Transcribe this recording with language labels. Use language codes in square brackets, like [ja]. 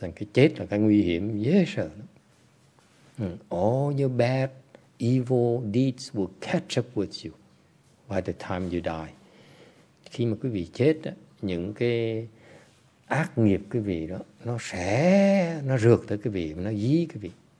[vi] Thành cái chết là cái nguy hiểm dễ sợ. [en] All your bad, evil deeds will catch up with you by the time you die. [vi] Khi mà quý vị chết, những cái ác nghiệp quý vị đó, nó rượt tới quý vị, nó dí quý vị.